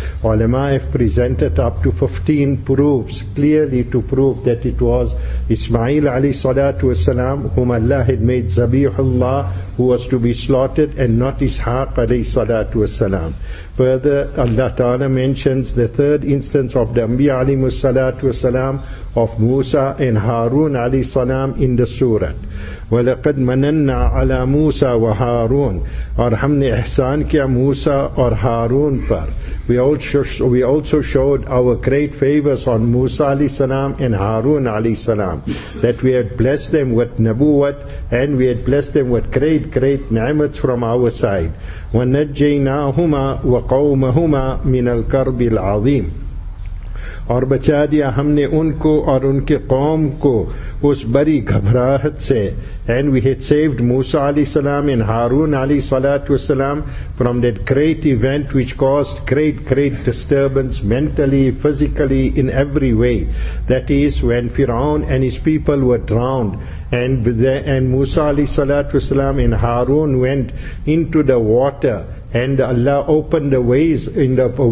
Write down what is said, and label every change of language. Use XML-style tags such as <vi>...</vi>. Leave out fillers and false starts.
<en>Ulama have presented up to 15 proofs, clearly to prove that it was Ismail alayhi salatu wasalam whom Allah had made Zabihullah, who was to be slaughtered, and not Ishaq alayhi salatu wasalam. Further, Allah Ta'ala mentions the third instance of the Anbiya alayhi salatu wasalam, of Musa and Harun alayhi salam in the surah.</en> <ar>وَلَقَدْ مَنَنَّا عَلَى مُوسَى وَحَارُونَ</ar> <ur>اور ہم نے احسان کیا موسیٰ اور حارون پر.</ur> <en>We also showed our great favors on Musa alayhi salam and Harun alayhi salam, that we had blessed them with nabuwat, and we had blessed them with great ni'mats from our side.</en> <ar>وَنَجَّيْنَاهُمَا وَقَوْمَهُمَا مِنَ الْكَرْبِ الْعَظِيمِ</ar> <ur>اور بچا دیا ہم نے ان کو اور ان کے قوم کو اس بری گھبراہت سے.</ur> <en>And we had saved Musa alayhi salam and Harun alayhi salatu wasalam from that great event which caused great disturbance mentally, physically, in every way. That is when Fir'aun and his people were drowned, and Musa alayhi salatu wasalam and Harun went into the water, and Allah opened the ways in the</en>